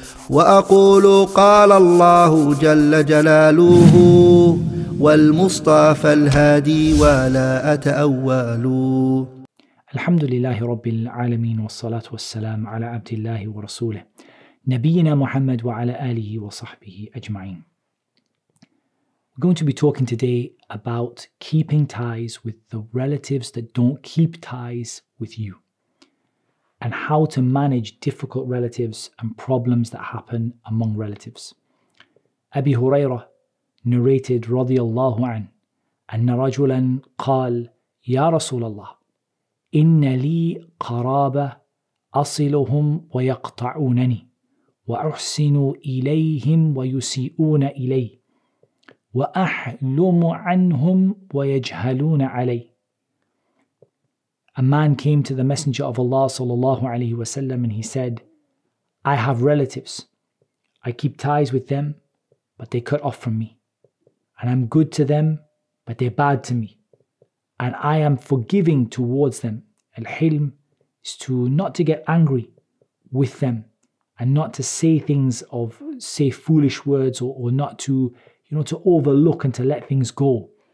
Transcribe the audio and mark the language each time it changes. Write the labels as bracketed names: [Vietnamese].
[Arabic] وأقول قال الله جل جلاله والمصطفى الهادي ولا أتأول. الحمد لله رب العالمين والصلاة والسلام على عبد الله ورسوله نبينا محمد وعلى آله وصحبه أجمعين. [English] We're going to be talking today about keeping ties with the relatives that don't keep ties with you, and how to manage difficult relatives and problems that happen among relatives. Abi Huraira narrated, [Arabic] رضي الله عنه, أن رجلا قال يا رسول الله إن لي قرابة أصلهم ويقطعونني وأحسن إليهم ويسيئون إلي وأحلم عنهم ويجهلون علي. [English] A man came to the Messenger of Allah sallallahu alaihi wasallam and he said, I have relatives. I keep ties with them, but they cut off from me. And I'm good to them, but they're bad to me. And I am forgiving towards them. Al-hilm is to not to get angry with them and not to say things of, say foolish words or not to, you know, to overlook and to let things go.